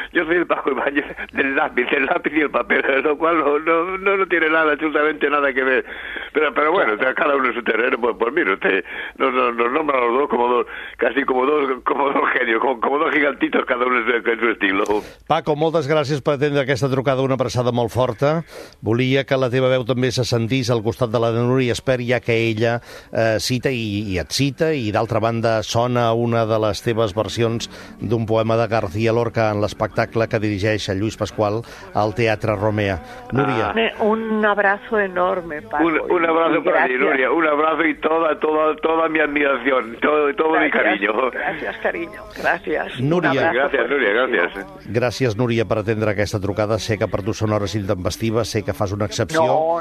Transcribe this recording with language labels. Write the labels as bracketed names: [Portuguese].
[Spanish] Yo soy el Paco Ibáñez del lápiz y el papel, lo cual no tiene nada, absolutamente nada que ver. Pero bueno, claro. O sea, cada uno en su terreno, pues mira, usted nos nombra a los dos como dos genios, como dos gigantitos, cada uno en su estilo. [Catalan] Paco, moltes gràcies per atendre aquesta trucada, una abraçada molt forta. Volia que la teva veu també se sentís al costat de la de Núria, espero ja que ella cita i et cita, i d'altra banda sona una de les teves versions d'un poema de García Lorca en l'espectacle que dirigeix a Lluís Pasqual al Teatre Romea. Núria. Ah. [Spanish] Un abrazo enorme, Paco. Un abrazo para ti, Núria. Un abrazo y toda mi admiración. Todo gracias, mi cariño. Gracias, cariño. Gracias. Núria. Gracias, Núria. Gracias. [Catalan] Gràcies, Núria, per atendre aquesta trucada. Sé que per tu són hores intempestives, sé que fas una excepció.